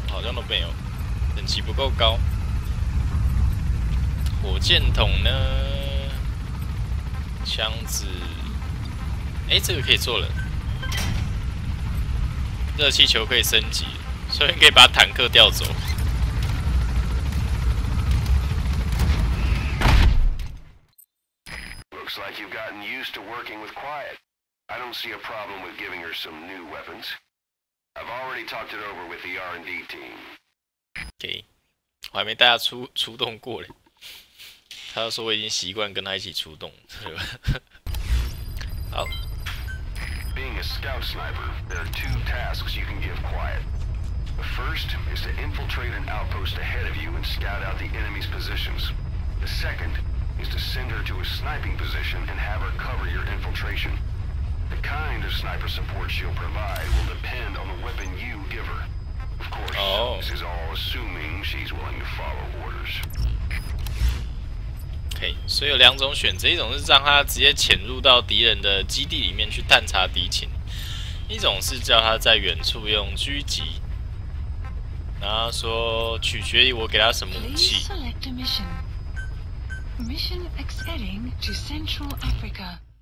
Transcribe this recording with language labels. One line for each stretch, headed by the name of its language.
Chinese: 好像都没有，等级不够高。火箭筒呢？枪子，哎、欸，这个可以做了。热气球可以升级，所以可以把坦克调走。
English: Looks like you've gotten used to working with Quiet. I don't see a problem with giving her some new weapons. I've already talked it over with the R&D team.
Chinese: Okay， 我还没带他出动过嘞。他说我已经习惯跟他一起出动，对吧？好。
English: Being a scout sniper, there are two tasks you can give Quiet. The first is to infiltrate an outpost ahead of you and scout out the enemy's positions. The second is to send her to a sniping position and have her cover your infiltration. The kind of sniper support she'll provide will depend on the weapon you give her. Of course,、oh. this is all assuming she's willing to follow orders.
Chinese: Okay, 所以有两种选择，一种是让他直接潜入到敌人的基地里面去探查敌情，一种是叫他在远处用狙击。然后说取决于我给他什么武器。
English: Please select a mission. Mission exiting to Central Africa.